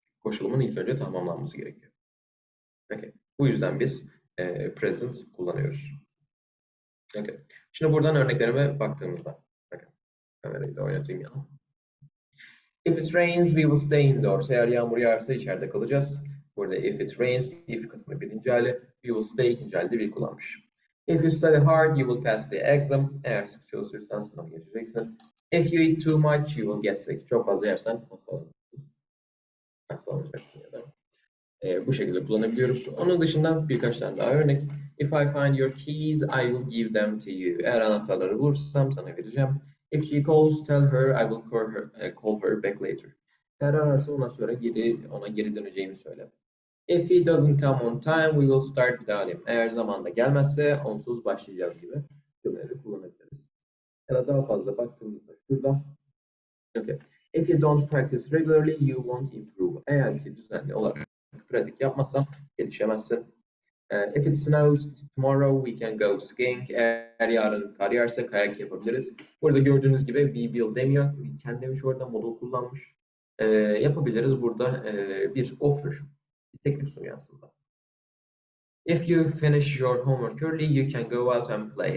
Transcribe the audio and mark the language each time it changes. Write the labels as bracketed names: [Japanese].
[Turkish] Koşulumun ilk önce tamamlanması gerekiyor. Okay. Bu yüzden biz present kullanıyoruz. Okay. Şimdi buradan örneklerime baktığımızda. Kamerayı da oynatayım ya. [English] If it rains, we will stay indoors. [Turkish] Eğer yağmur yağarsa içeride kalacağız. Burada [English] if it rains, [Turkish] if kısmı birinci hali, [English] we will stay [Turkish] ikinci halde will kullanmış. [English] If you study hard, you will pass the exam. [Turkish] Eğer sık çalışırsan sınav geçeceksin. [English] If you eat too much, you will get sick. [Turkish] Çok fazla yersen hastalanacaksın. Hastalanacaksın ya da. Bu şekilde kullanabiliyoruz. Onun dışında birkaç tane daha örnek. [English] If I find your keys, I will give them to you. [Turkish] Eğer anahtarları bulursam sana vereceğim. [English] If she calls, tell her I will call her back later. [Turkish] Eğer ararsa ondan sonra ona geri döneceğimi söyle. [English] If he doesn't come on time, we will start without him. [Turkish] Eğer zamanda gelmezse onsuz başlayacağız gibi cümleleri kullanabiliriz. Ya da daha fazla baktığımızda şurada. Okay. [English] If you don't practice regularly, you won't improve. [Turkish] Eğer ki düzenli olarak pratik yapmazsan gelişemezsin. [English] If it snows tomorrow, we can go skiing. [Turkish] Eğer yarın kar yağarsa kayak yapabiliriz. Burada gördüğünüz gibi we will demiyor. We can demiş orada, modal kullanmış. Yapabiliriz burada bir offer, bir teklif sunuyor aslında. [English] If you finish your homework early, you can go out and play.